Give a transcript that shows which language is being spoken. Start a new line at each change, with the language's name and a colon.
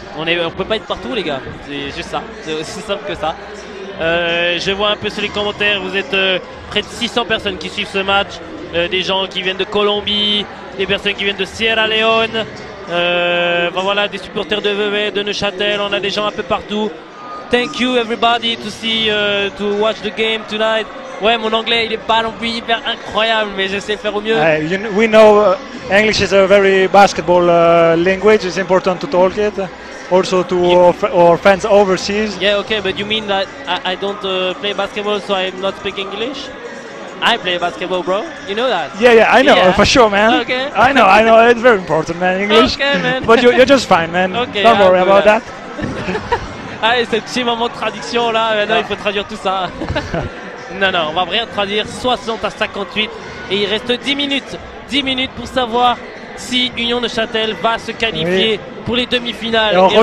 French: On peut pas être partout, les gars. C'est juste ça. C'est aussi simple que ça. Je vois un peu sur les commentaires, vous êtes près de 600 personnes qui suivent ce match. Des gens qui viennent de Colombie, des personnes qui viennent de Sierra Leone, voilà, des supporters de Vevey, de Neuchâtel, on a des gens un peu partout.
English: Thank you everybody to see, to watch the game tonight.
French: Ouais, mon anglais il est pas non plus hyper incroyable, mais j'essaie de faire au mieux.
English: We know English is a very basketball language, it's important to talk it. Also to our fans overseas. Yeah, okay, but you mean that I don't play basketball, so I'm not speaking English? I play basketball, bro. You know that? Yeah, yeah, I know, yeah. For sure, man. Okay. I know. It's very important, man, English. Okay, man. But you're just fine, man. Okay, don't worry about that.
French: Allez, ce petit moment de traduction, là. Maintenant, yeah. Il faut traduire tout ça. Non, on va rien traduire. 60 à 58. Et il reste 10 minutes. 10 minutes pour savoir si Union Neuchâtel va se qualifier, oui, pour les demi-finales.